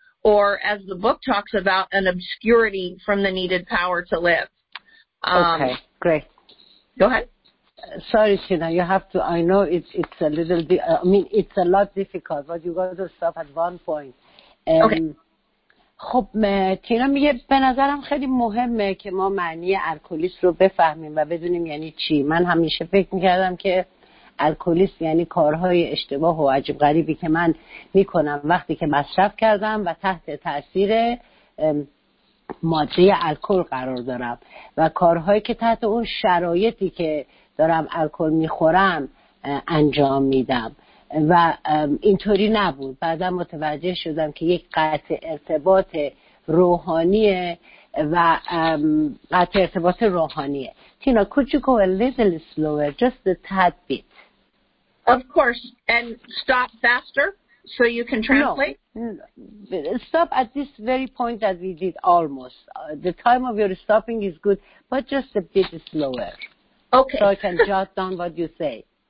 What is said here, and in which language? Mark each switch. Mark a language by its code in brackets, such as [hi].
[en] or, as the book talks about, an obscurity from the needed power to live. Okay, great. Go ahead. Sorry, Sheena, you have to, I know it's a little bit, I mean, it's a lot difficult, but you got to stop at one point. [fa] خب تینا میگه به نظرم خیلی مهمه که ما معنی الکلیست رو بفهمیم و بدونیم یعنی چی. من همیشه فکر میکردم که الکلیست یعنی کارهای اشتباه و عجیب غریبی که من میکنم وقتی که مصرف کردم و تحت تاثیر ماده الکل قرار دارم و کارهایی که تحت اون شرایطی که دارم الکل میخورم انجام میدم و اینطوری نبود. بعدا متوجه شدم که یک قطع ارتباط روحانیه و قطع ارتباط روحانیه. [en] Tina, could you go a little slower, just a tad bit? Of course, and stop faster so you can translate? No, stop at this very point that we did almost. The time of your stopping is good, but just a bit slower. Okay. So I can jot down what you say.